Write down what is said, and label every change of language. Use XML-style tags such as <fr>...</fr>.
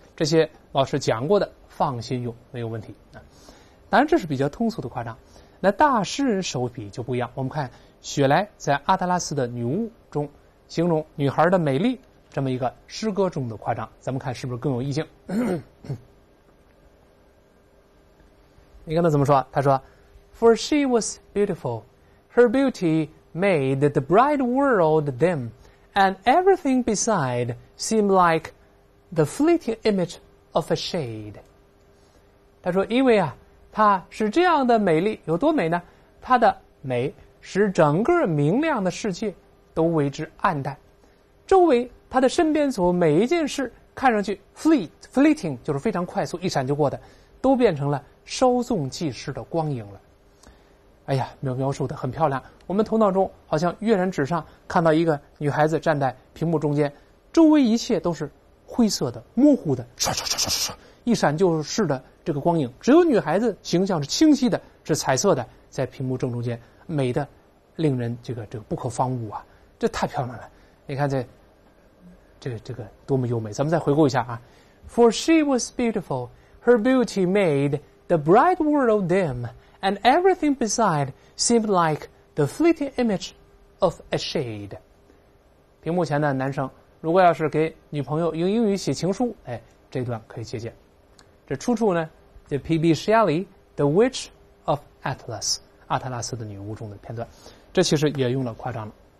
<zh>这些老师讲过的，放心用，没有问题啊。当然，这是比较通俗的夸张。那大诗人手笔就不一样，我们看。雪莱在阿特拉斯的女巫中形容女孩的美丽，这么一个诗歌中的夸张，咱们看是不是更有意境。</zh> <en>你看他怎么说，他说 For she was beautiful, her beauty made the bright world dim, and everything beside seemed like the fleeting image of a shade.</en> <zh>他说因为啊，她是这样的美丽，有多美呢？她的美使整个明亮的世界都为之暗淡，周围他的身边所每一件事看上去 fleeting 就是非常快速一闪就过的，都变成了稍纵即逝的光影了。哎呀，描述的很漂亮，我们头脑中好像跃然纸上，看到一个女孩子站在屏幕中间，周围一切都是灰色的模糊的，刷刷刷刷刷一闪就逝的这个光影，只有女孩子形象是清晰的，是彩色的，在屏幕正中间，美的令人这个不可方物啊，这太漂亮了。你看这个多么优美。咱们再回顾一下啊。</zh> <en>For she was beautiful, her beauty made the bright world dim, and everything beside seemed like the fleeting image of a shade.</en> <zh>屏幕前的男生如果要是给女朋友用英语写情书，哎，这段可以借鉴。这出处呢，这 P.B. Shelley, The Witch of Atlas。阿特拉斯的女巫中的片段，这其实也用了夸张了。</zh>